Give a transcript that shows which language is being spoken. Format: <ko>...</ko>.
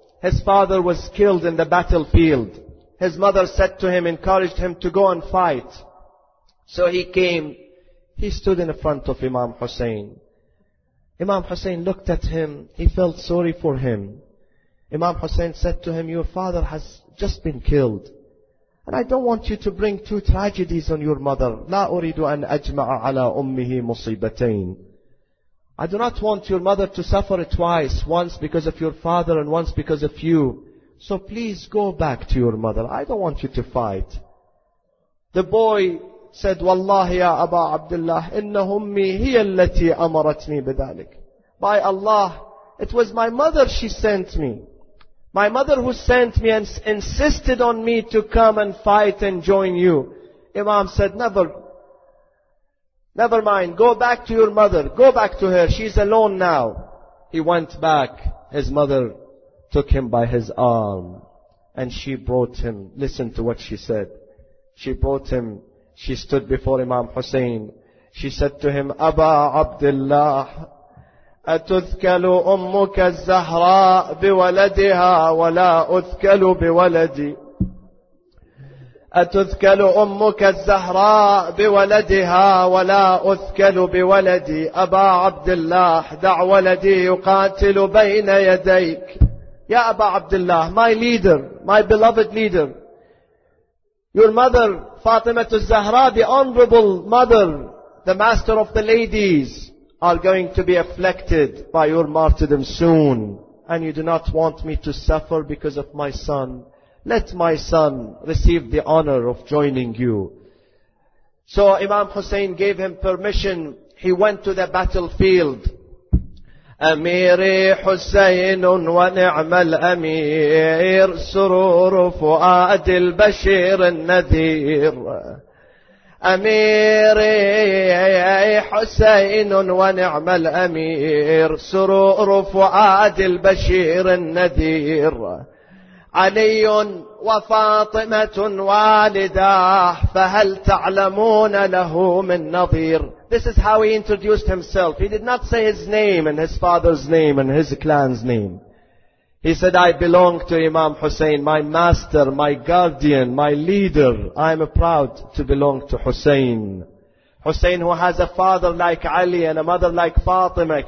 <en>His father was killed in the battlefield. His mother said to him, encouraged him to go and fight. So he came. He stood in front of Imam Hussein. Imam Hussein looked at him. He felt sorry for him. Imam Hussein said to him, your father has just been killed. And I don't want you to bring two tragedies on your mother.</en> <ar>لا أريد أن أجمع على أمه مصيبتين.</ar> <en>I do not want your mother to suffer twice. Once because of your father and once because of you. So please go back to your mother. I don't want you to fight. The boy said,</en> <ar>Wallahi ya Aba Abdullah, إنه أمي هي التي أمرتني بذلك.</ar> <en>By Allah, it was my mother she sent me. My mother who sent me and insisted on me to come and fight and join you. Imam said, Never mind, go back to your mother. Go back to her, she's alone now. He went back, his mother took him by his arm and she brought him, listen to what she said. She brought him, she stood before Imam Hussein. She said to him, Aba Abdullah,</en> <ar>أتذكل أمك الزهراء بولدها ولا أذكل بولدي؟ أتذكل أمك الزهراء بولدها ولا أذكل بولدي؟ أبا عبد الله دع ولدي يقاتل بين يديك. يا أبا عبد الله,</ar> <en>my leader, my beloved leader, your mother فاطمة الزهراء, the honorable mother, the master of the ladies, are going to be afflicted by your martyrdom soon, and you do not want me to suffer because of my son. Let my son receive the honor of joining you. So Imam Hussein gave him permission. He went to the battlefield.</en> <ar>Amiri Hussein wa ni'ma al-amir, surur fuad al-bashir al-nadhir. أميري حسين ونعم الأمير سرور فؤاد البشير النذير علي وفاطمة والداه فهل تعلمون له من نظير.</ar> <en>This is how he introduced himself. He did not say his name and his father's name and his clan's name. He said, I belong to Imam Hussein, my master, my guardian, my leader. I am proud to belong to Hussein. Hussein, who has a father like Ali and a mother like Fatima.</en>